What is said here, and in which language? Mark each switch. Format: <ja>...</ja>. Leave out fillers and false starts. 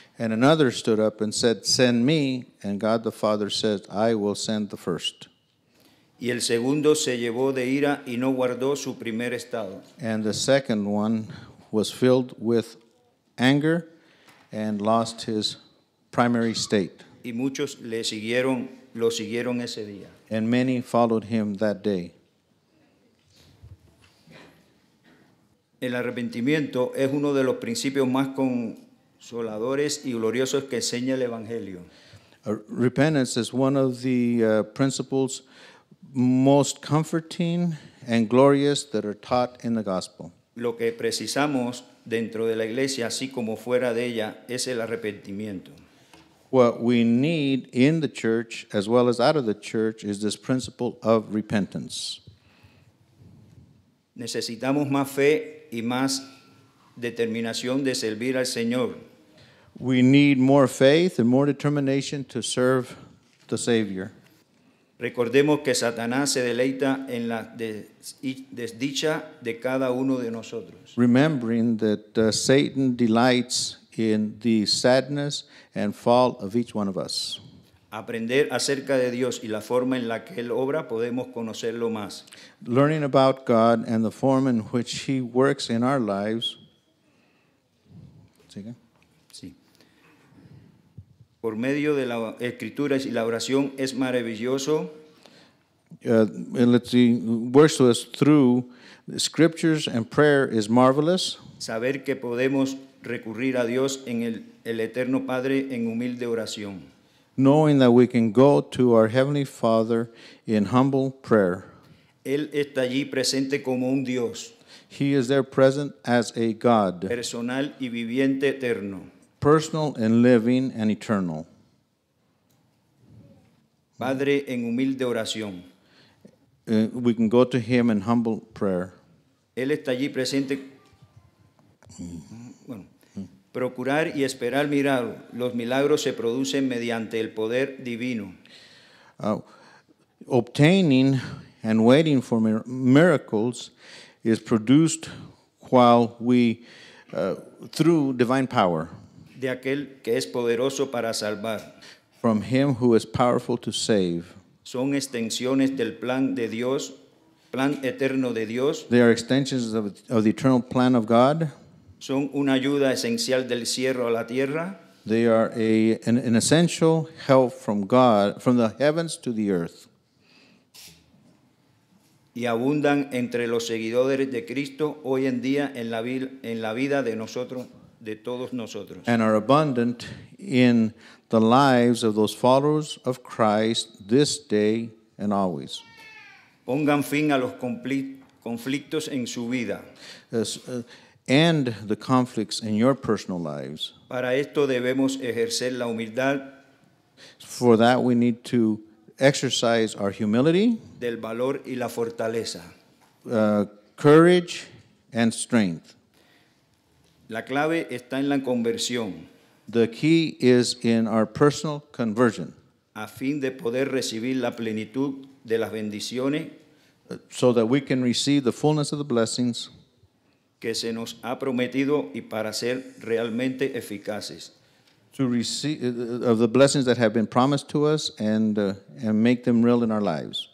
<en>And another stood up and said, "Send me." And God the Father said, "I will send the first."</en> <es>Y el segundo se llevó de ira y no guardó su primer estado.</es> <en>And the second one was filled with anger and lost his primary state.</en> <es>Y muchos le siguieron, lo siguieron ese día.</es> <en>And many followed him that day.</en> <es>El arrepentimiento es uno de los principios más consoladores y gloriosos que enseña el Evangelio.</es> <en>Repentance is one of the principles most comforting and glorious that are taught in the gospel.</en> <es>Lo que precisamos dentro de la iglesia, así como fuera de ella, es el arrepentimiento.</es> <en>What we need in the church, as well as out of the church, is this principle of repentance.</en> <es>Necesitamos más fe y más determinación de servir al Señor.</es> <en>We need more faith and more determination to serve the Savior.</en> <es>Recordemos que Satanás se deleita en la desdicha de cada uno de nosotros.</es> <en>Remembering that Satan delights in the sadness and fall of each one of us.</en> <es>Aprender acerca de Dios y la forma en la que Él obra, podemos conocerlo más.</es> <en>Learning about God and the form in which He works in our lives.</en> <es>¿Sigue? Sí. Por medio de la Escritura y la oración es maravilloso.</es> <en>Let's see, works to us through the Scriptures and prayer is marvelous.</en> <es>Saber que podemos recurrir a Dios en el Eterno Padre en humilde oración.</es> <en>Knowing that we can go to our Heavenly Father in humble prayer.</en> <es>Él está allí presente como un Dios.</es> <en>He is there present as a God.</en> <es>Personal y viviente eterno.</es> <en>Personal and living and eternal.</en> <es>Padre en humilde oración.</es> <en>We can go to Him in humble prayer.</en> <es>Él está allí presente. Procurar y esperar mirar los milagros se producen mediante el poder divino.</es> <en>Obtaining and waiting for miracles is produced while we through divine power.</en> <es>De aquel que es poderoso para salvar.</es> <en>From Him who is powerful to save.</en> <es>Son extensiones del plan de Dios, plan eterno de Dios.</es> <en>They are extensions of the eternal plan of God.</en> <es>Son una ayuda esencial del cielo a la tierra.</es> <en>They are an essential help from God, from the heavens to the earth.</en> <es>Y abundan entre los seguidores de Cristo hoy en día en la vida de nosotros, de todos nosotros.</es> <en>And are abundant in the lives of those followers of Christ this day and always.</en> <es>Pongan fin a los conflictos en su vida.</es> <en>And the conflicts in your personal lives.</en> <es>Para esto debemos ejercer la humildad.</es> <en>For that we need to exercise our humility.</en> <es>Del valor y la fortaleza.</es> <en>Courage and strength.</en> <es>La clave está en la conversión.</es> <en>The key is in our personal conversion.</en> <es>A fin de poder recibir la plenitud de las bendiciones.</es> <en>So that we can receive the fullness of the blessings.</en> <es>Que se nos ha prometido y para ser realmente eficaces.</es> <en>To receive of the blessings that have been promised to us and make them real in our lives.</en>